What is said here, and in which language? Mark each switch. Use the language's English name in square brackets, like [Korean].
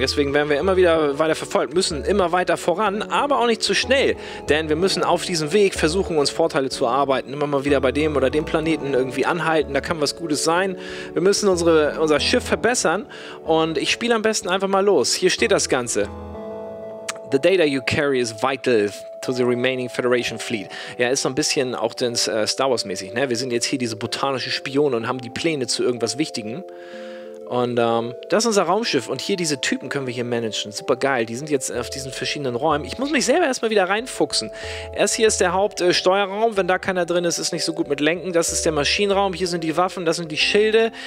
[German] Deswegen werden wir immer wieder weiter verfolgt, müssen immer weiter voran, aber auch nicht zu schnell, denn wir müssen auf diesem Weg versuchen, uns Vorteile zu erarbeiten. Immer mal wieder bei dem oder dem Planeten irgendwie anhalten, da kann was Gutes sein. Wir müssen unser Schiff verbessern und ich spiele am besten einfach mal los. Hier steht das Ganze. [English] The data you carry is vital to the remaining Federation fleet. [German] Ja, ist so ein bisschen auch ins Star Wars mäßig. Ne? Wir sind jetzt hier diese botanischen Spione und haben die Pläne zu irgendwas Wichtigem. Und das ist unser Raumschiff. Und hier diese Typen können wir hier managen. Super geil. Die sind jetzt auf diesen verschiedenen Räumen. Ich muss mich selber erstmal wieder reinfuchsen. Erst hier ist der Hauptsteuerraum. Wenn da keiner drin ist, ist nicht so gut mit Lenken. Das ist der Maschinenraum. Hier sind die Waffen. Das sind die Schilde.